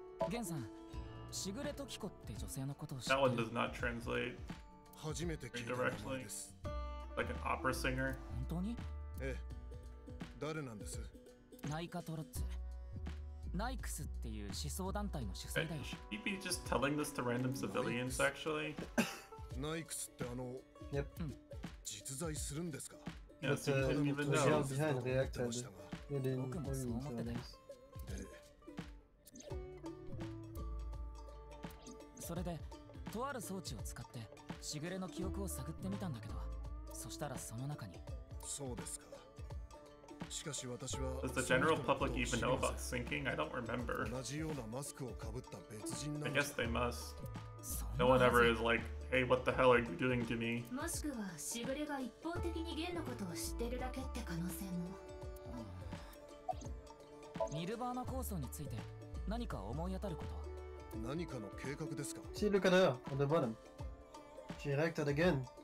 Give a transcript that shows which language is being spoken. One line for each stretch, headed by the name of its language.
Japanese: ゲンさん、しぐれときこって女性のことを知ってる。
English: That one does not translate.
Japanese: 初めて聞いたものです。
English: Like an opera singer?
Japanese: 本当に？ええ、誰なんです？ナイカトロッツ、ナイクスっていう思想団体の主催だよ。
English: Should you be just telling this to random civilians, actually?
Japanese: ナイクスってあの、
English: Yep.
Japanese: 実在するんですか？
English: Yes, you didn't even know.
Japanese: 僕もそう思ってたよ。それで、とある装置を使ってシグレの記憶を探ってみたんだけど、そしたらその中に。そうですか。しかし私は。
English: Does the general public even know about sinking? I don't remember.
Japanese: 同じようなマスクをかぶった別人なんか。
English: I guess they must. No one ever is like, hey, what the hell are you doing to me?
Japanese: もしくはシグレが一方的にゲンのことを知ってるだけって可能性も。ニルバーナ構想について何か思い当たること。何かの計画ですか。シルカだよ、
English: on the bottom. She reacted again.